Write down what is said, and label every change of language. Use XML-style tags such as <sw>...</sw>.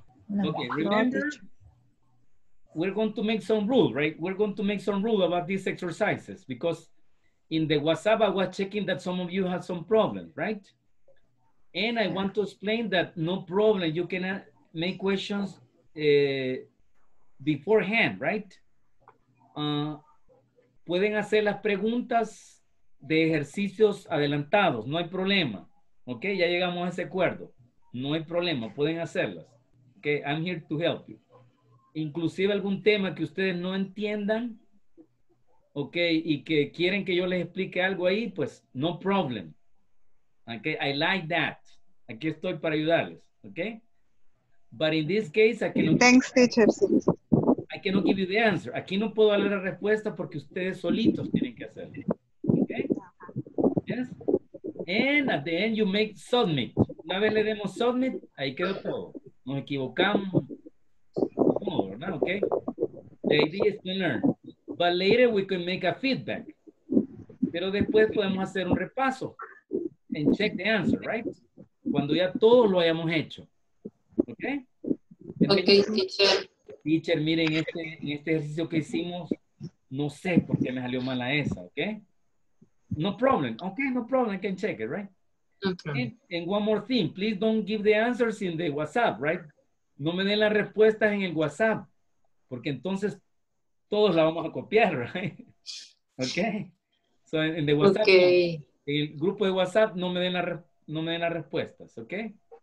<en>Okay, remember, we're going to make some rule, right? We're going to make some rule about these exercises because in the WhatsApp, I was checking that some of you had some problems, right? And I want to explain that no problem, you can make questions beforehand, right?</en> <es>Pueden hacer las preguntas de ejercicios adelantados, no hay problema,</es> <en>okay?</en> <es>Ya llegamos a ese acuerdo, no hay problema, pueden hacerlas, okay?</es> <en>I'm here to help you.</en> <es>Inclusive algún tema que ustedes no entiendan, okay, y que quieren que yo les explique algo ahí, pues</es> <en>no problem,</en> <es>okay?</es> <en>I like that,</en> <es>aquí estoy para ayudarles,</es> <en>okay? But in this case, I cannot give you the answer.</en> <es>Aquí no puedo darle la respuesta porque ustedes solitos tienen que hacerlo.</es> <en>Okay? Yes? And at the end, you make submit.</en> <es>Una vez le demos submit, ahí quedó todo. Nos equivocamos. No, ¿verdad? Okay?</es> <en>The idea is to learn. But later, we can make a feedback.</en> <es>Pero después podemos hacer un repaso</es> <en>and check the answer, right?</en> <es>Cuando ya todo lo hayamos hecho.</es> <en>Okay, teacher.</en> <es>Miren, en este ejercicio que hicimos, no sé por qué me salió mal a esa,</es> <en>okay? No problem, I can check it, right? Okay. And one more thing, please don't give the answers in the WhatsApp, right?</en> <es>No me den las respuestas en el WhatsApp, porque entonces todos la vamos a copiar,</es> <en>right? Okay? So in the WhatsApp, okay.</en> <es>El grupo de WhatsApp, no me den las respuestas, okay?</es>